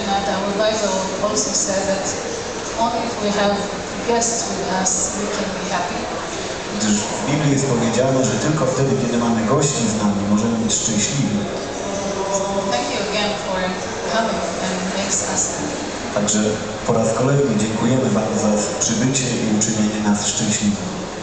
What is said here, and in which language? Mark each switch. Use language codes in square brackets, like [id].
[en] Our Bible also said that only if we have guests with us, we can be happy. [pl] Gdyż w Biblii jest powiedziane, że tylko wtedy, kiedy mamy gości z nami, możemy być szczęśliwi. [en] Thank you again for coming and makes us happy. [pl] Także po raz kolejny dziękujemy Wam za przybycie i uczynienie nas szczęśliwymi.